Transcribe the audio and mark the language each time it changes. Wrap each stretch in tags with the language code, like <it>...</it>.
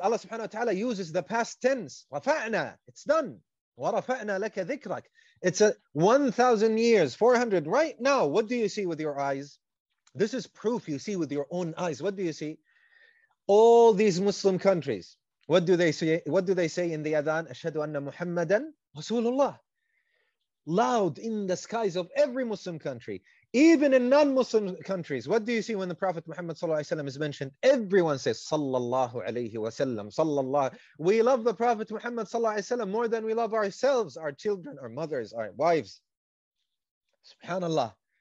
<en>Allah subhanahu wa ta'ala uses the past tense. Rafa'na, it's done.</en> <ar>وَرَفَعْنَا لَكَ ذِكْرَكَ</ar> <en>It's a 1,000 years, 400. Right now, what do you see with your eyes? This is proof you see with your own eyes. What do you see? All these Muslim countries, what do they say? What do they say in the adhan?</en> <ar>أَشْهَدُ أَنَّ مُحَمَّدًا Rasulullah.</ar> <en>Loud in the skies of every Muslim country. Even in non-Muslim countries, what do you see when the Prophet Muhammad is mentioned? Everyone says, Sallallahu alayhi wa sallam, sallallahu. We love the Prophet Muhammad more than we love ourselves, our children, our mothers, our wives. Subhanallah.</en>